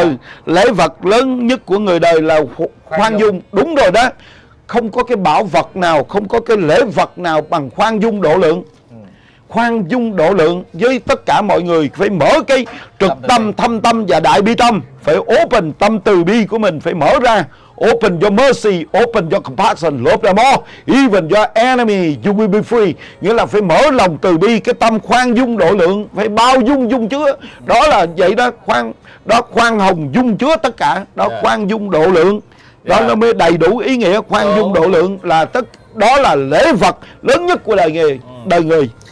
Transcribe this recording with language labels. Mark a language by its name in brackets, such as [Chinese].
[Vietnamese] Ừ, lễ vật lớn nhất của người đời là khoan dung. Đúng rồi đó. Không có cái bảo vật nào, không có cái lễ vật nào bằng khoan dung độ lượng. Khoan dung độ lượng với tất cả mọi người, phải mở cái trực tâm, thâm tâm và đại bi tâm, phải open tâm từ bi của mình, phải mở ra. [English] Open your mercy, open your compassion, love them all, even your enemy, you will be free. [Vietnamese] Nghĩa là phải mở lòng từ bi, cái tâm khoan dung độ lượng, phải bao dung dung chứa. Đó là vậy đó, khoan hồng dung chứa tất cả, đó khoan dung độ lượng. Đó nó mới đầy đủ ý nghĩa, khoan dung độ lượng là tất, đó là lễ vật lớn nhất của đời người.